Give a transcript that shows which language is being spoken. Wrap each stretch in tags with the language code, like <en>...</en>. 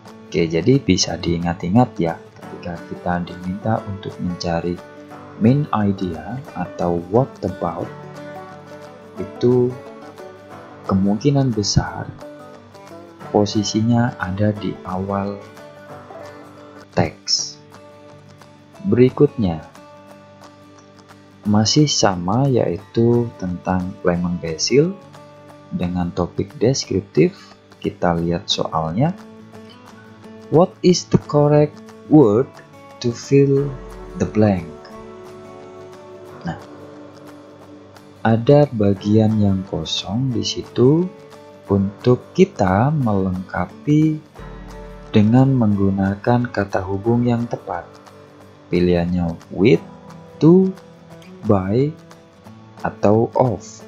<id>Oke, jadi bisa diingat-ingat ya, ketika kita diminta untuk mencari main idea atau</id> <en>what about,</en> <id>itu kemungkinan besar posisinya ada di awal teks. Berikutnya masih sama, yaitu tentang lemon basil dengan topik deskriptif. Kita lihat soalnya.</id> <en>What is the correct word to fill the blank?</en> <id>Nah, ada bagian yang kosong di situ untuk kita melengkapi dengan menggunakan kata hubung yang tepat. Pilihannya with, to, by, atau of.</id>